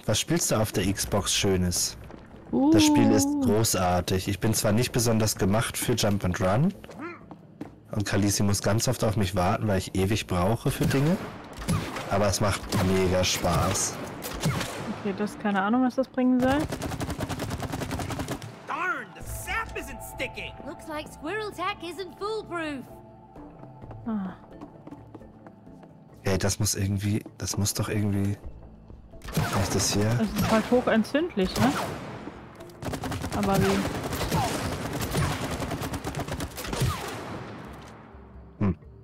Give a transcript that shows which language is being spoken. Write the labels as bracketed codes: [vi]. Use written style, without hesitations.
[de] Was spielst du auf der Xbox Schönes? Das Spiel ist großartig. Ich bin zwar nicht besonders gemacht für Jump and Run. Und Khaleesi muss ganz oft auf mich warten, weil ich ewig brauche für Dinge. Aber es macht mega Spaß. Okay, das ist keine Ahnung, was das bringen soll. [en] Darn, the sap isn't sticking. Looks like Squirrel Tech isn't foolproof. [de] Ah. Hey, das muss irgendwie. Das muss doch irgendwie. Was ist das hier? Das ist halt hochentzündlich, ne? Aber wie? Hm.